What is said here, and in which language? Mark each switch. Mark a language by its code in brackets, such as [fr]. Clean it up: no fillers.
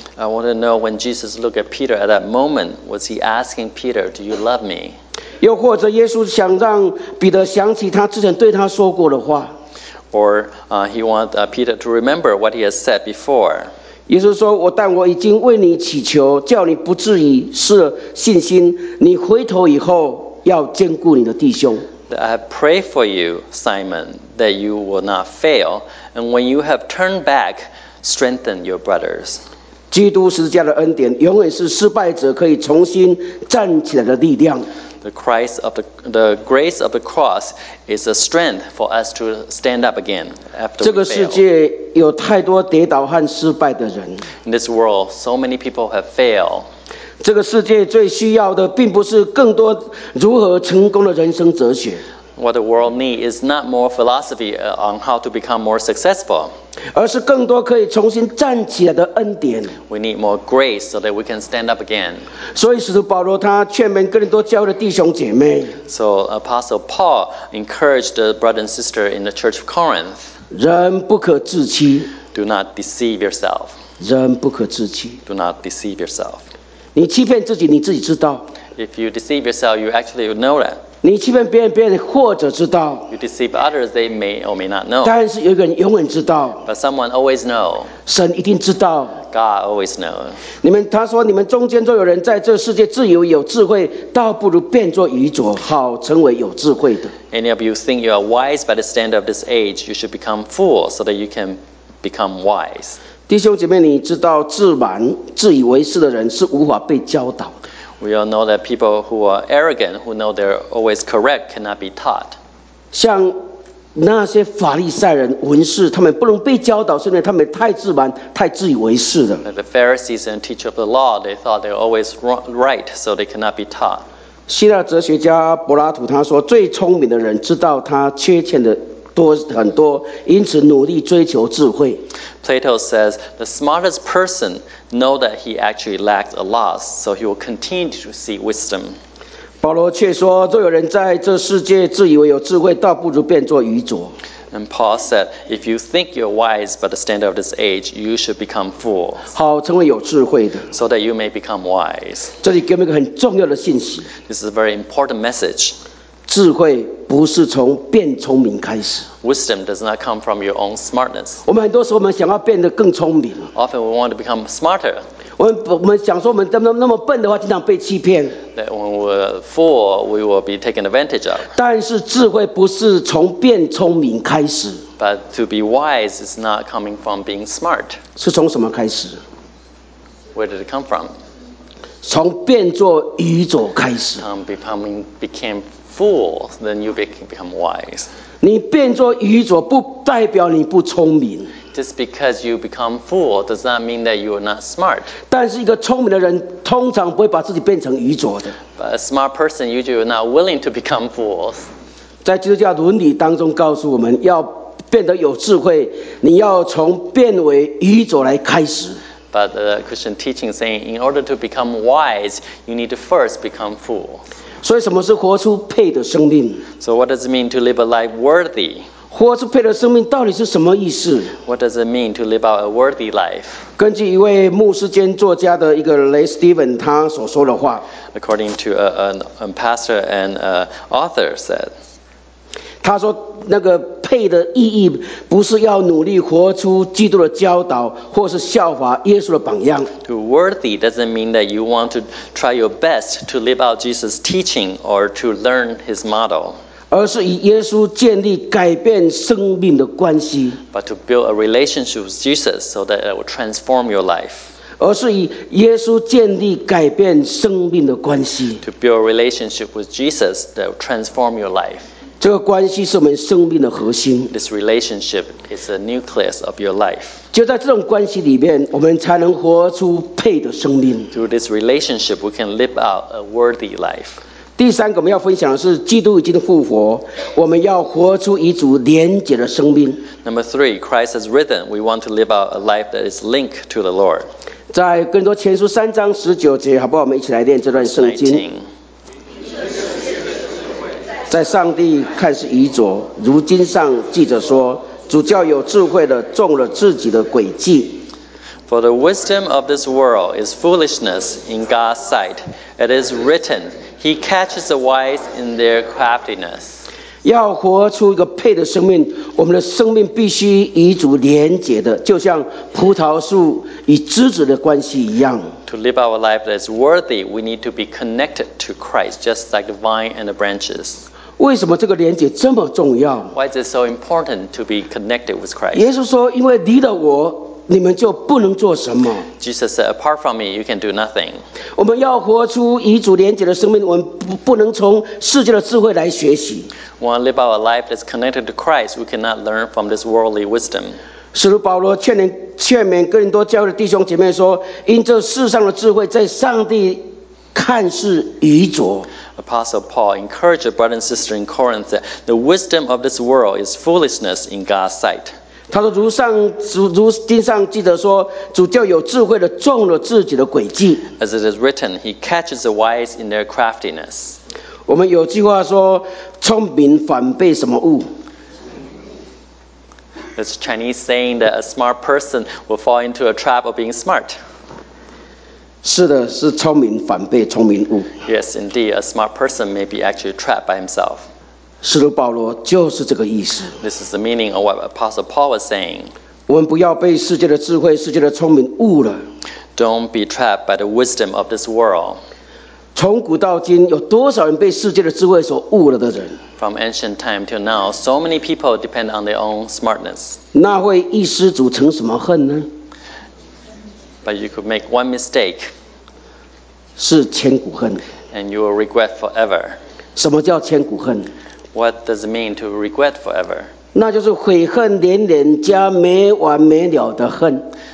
[en] I want to know when Jesus looked at Peter at that moment, was he asking Peter, do you love me? [zh] 又或者耶稣想让彼得想起他之前对他说过的话。 [en] Or he wants Peter to remember what he has said before. [zh] 耶稣说，但我已经为你祈求，叫你不至于失信心。你回头以后要坚固你的弟兄。 [en] I pray for you, Simon, that you will not fail. And when you have turned back, strengthen your brothers. [zh] 基督十字架的恩典永远是失败者可以重新站起来的力量。 [en] The grace of the cross is a strength for us to stand up again after we fail. [zh] 这个世界有太多跌倒和失败的人。 [en] In this world, so many people have failed. [zh] 这个世界最需要的并不是更多如何成功的人生哲学。 [en] What the world needs is not more philosophy on how to become more successful. [zh] 而是更多可以重新站起来的恩典。 [en] We need more grace so that we can stand up again. [zh] 所以使徒保罗他劝勉哥林多教会的弟兄姐妹。 [en] So Apostle Paul encouraged the brother and sister in the church of Corinth. [zh] 人不可自欺。 [en] Do not deceive yourself. [zh] 人不可自欺。 [en] Do not deceive yourself. [zh] 你欺骗自己，你自己知道。 [en] If you deceive yourself, you actually know that. [zh] 你欺骗别人，别人或者知道。 [en] You deceive others, they may or may not know. [zh] 但是有一个人永远知道。 [en] But someone always know. [zh] 神一定知道。 [en] God always know. [zh] 你们他说，你们中间若有人在这世界自由有智慧，倒不如变作愚拙，好成为有智慧的。 [en] Any of you think you are wise by the standard of this age, you should become fools so that you can become wise. [zh] 弟兄姐妹，你知道自满、自以为是的人是无法被教导。 [en] We all know that people who are arrogant, who know they're always correct, cannot be taught. [zh] 像那些法利赛人、文士，他们不能被教导，是因为他们太自满、太自以为是了。 [en] Like the Pharisees and teachers of the law, they thought they're always right, so they cannot be taught. [zh] 希腊哲学家柏拉图他说，最聪明的人知道他缺欠的。多很多，因此努力追求智慧。 [en] Plato says the smartest person know that he actually lacks a lot, so he will continue to seek wisdom. [zh] 保罗却说，若有人在这世界自以为有智慧，倒不如变作愚拙。 [en] And Paul said, if you think you're wise by the standard of this age, you should become fool. [zh] 好，成为有智慧的。 [en] So that you may become wise. [zh] 这里给我们一个很重要的信息。 [en] This is a very important message. [zh] 智慧不是从变聪明开始。 [en] Wisdom does not come from your own smartness. [zh] 我们很多时候我们想要变得更聪明。 [en] Often we want to become smarter. [zh] 我们想说我们那么笨的话，经常被欺骗。 [en] That when we're fool, we will be taken advantage of. [zh] 但是智慧不是从变聪明开始。 [en] But to be wise is not coming from being smart. [zh] 是从什么开始？ [en] Where did it come from? [zh] 从变作愚拙开始。 [en] From becoming became fool, then you become wise. [zh] 你变作愚拙不代表你不聪明。 [en] Just because you become fool does not mean that you are not smart. [zh] 但是一个聪明的人通常不会把自己变成愚拙的。 [en] But a smart person usually is not willing to become fools. [zh] 在基督教伦理当中告诉我们，要变得有智慧，你要从变为愚拙来开始。 [en] But the Christian teaching saying, in order to become wise, you need to first become fool. [zh] 所以什么是活出配的生命 [en] ？So what does it mean to live a life worthy? [zh] 活出配的生命到底是什么意思 [en] ？What does it mean to live out a worthy life? [zh] 根据一位牧师兼作家的一个雷斯蒂文他所说的话 [en] ，According to a pastor and an author said， [zh] 他说那个配的意义不是要努力活出基督的教导，或是效法耶稣的榜样。 [en] To worthy doesn't mean that you want to try your best to live out Jesus' teaching or to learn his model. [zh] 而是与耶稣建立改变生命的关系。 [en] But to build a relationship with Jesus so that it will transform your life. [zh] 而是与耶稣建立改变生命的关系。 [en] To build a relationship with Jesus that will transform your life. [zh] 这个关系是我们生命的核心。 [en] This relationship is the nucleus of your life. [zh] 就在这种关系里面，我们才能活出配的生命。 [en] Through this relationship, we can live out a worthy life. [zh] 第三个我们要分享的是，基督已经复活，我们要活出与主连结的生命。 [en] Number three, Christ has risen. We want to live out a life that is linked to the Lord. [zh] 在哥林多前书三章十九节，好不好？我们一起来念这段圣经。在上帝看是愚拙，如经上记着说，主叫有智慧的中了自己的诡计。 [en] For the wisdom of this world is foolishness in God's sight. It is written, He catches the wise in their craftiness. [zh] 要活出一个配的生命，我们的生命必须与主连结的，就像葡萄树与枝子的关系一样。 [en] To live our life that is worthy, we need to be connected to Christ, just like the vine and the branches. [zh] 为什么这个连结这么重要 [en] ？Why is it so important to be connected with Christ？ [zh] 耶稣说：“因为离了我，你们就不能做什么。” [en] Jesus said, "Apart from me, you can do nothing." [zh] 我们要活出与主连结的生命，我们不能从世界的智慧来学习。 [en] We want to live our life that's connected to Christ. We cannot learn from this worldly wisdom. [zh] 使徒保罗劝勉哥林多教会的弟兄姐妹说：“因这世上的智慧，在上帝看是愚拙。” [en] Apostle Paul encouraged the brother and sister in Corinth that the wisdom of this world is foolishness in God's sight. [zh] 他说如上如经上记得说主叫有智慧的中了自己的诡计。 [en] As it is written, he catches the wise in their craftiness. [zh] 我们有句话说聪明反被什么误。 [en] It's Chinese saying that a smart person will fall into a trap of being smart. [zh] 是的是聪明反被聪明误。 [en] Yes, indeed, a smart person may be actually trapped by himself. [zh] 使徒保罗就是这个意思。 [en] This is the meaning of what Apostle Paul was saying. [zh] 我们不要被世界的智慧、世界的聪明误了。 [en] Don't be trapped by the wisdom of this world. [zh] 从古到今，有多少人被世界的智慧所误了的人 [en] ？From ancient time till now, so many people depend on their own smartness. [zh] 那会一失足成什么恨呢 [en] ？But you could make one mistake. [zh] 是千古恨。 [en] And you will regret forever. [zh] 什么叫千古恨？ [en] What does it mean to regret forever? [zh] 那就是悔恨连连加没完没了的恨。